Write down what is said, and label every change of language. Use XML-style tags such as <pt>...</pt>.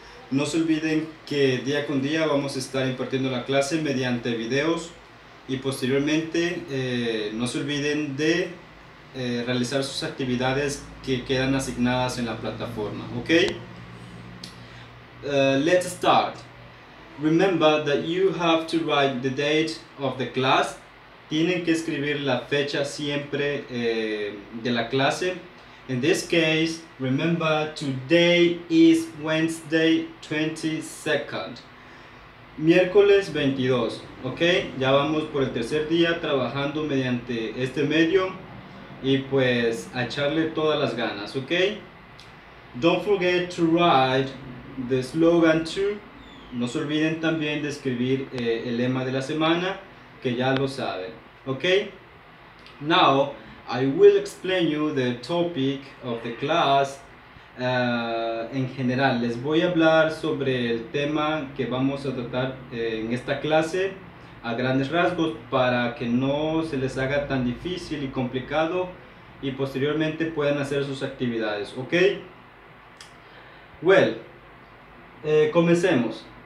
<es>No se olviden que día con día vamos a estar impartiendo la clase mediante videos y posteriormente no se olviden de realizar sus actividades que quedan asignadas en la plataforma, ¿ok?</es> <en>Let's start. Remember that you have to write the date of the class.</en> <es>Tienen que escribir la fecha siempre de la clase.</es> <en>In this case, remember today is Wednesday 22nd.</en> <es>Miércoles 22. Ok, ya vamos por el tercer día trabajando mediante este medio y pues a echarle todas las ganas.</es> <en>Ok, don't forget to write the slogan too.</en> <es>No se olviden también de escribir el lema de la semana, que ya lo saben.</es> <en>Ok, now I will explain you the topic of the class.</en> <es>En general, les voy a hablar sobre el tema que vamos a tratar en esta clase a grandes rasgos para que no se les haga tan difícil y complicado y posteriormente puedan hacer sus actividades.</es> <en>Ok, well.</en> <es>Comencemos.</es>